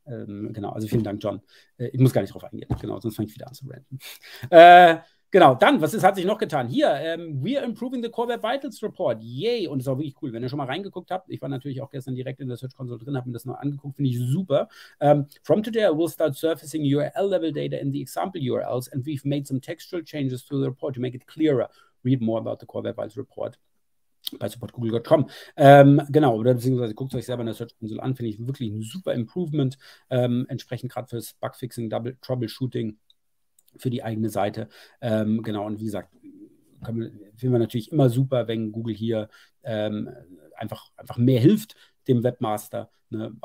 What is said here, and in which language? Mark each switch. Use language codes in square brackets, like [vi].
[de] Genau, also vielen Dank, John. Ich muss gar nicht drauf eingehen, genau, sonst fange ich wieder an zu ranten. Genau, dann, hat sich noch getan? Hier, [en] we are improving the Core Web Vitals Report. [de] Yay, und das ist auch wirklich cool. Wenn ihr schon mal reingeguckt habt, ich war natürlich auch gestern direkt in der Search Console drin, habe mir das noch angeguckt, finde ich super. [en] From today I will start surfacing URL-Level Data in the example URLs and we've made some textual changes to the report to make it clearer. Read more about the Core Web Vitals Report bei supportgoogle.com. [de] Genau, oder beziehungsweise guckt es euch selber in der Search Console an, finde ich wirklich ein super Improvement, entsprechend gerade fürs Bugfixing, Double Troubleshooting für die eigene Seite. Genau, und wie gesagt, finden wir natürlich immer super, wenn Google hier einfach mehr hilft dem Webmaster, ne?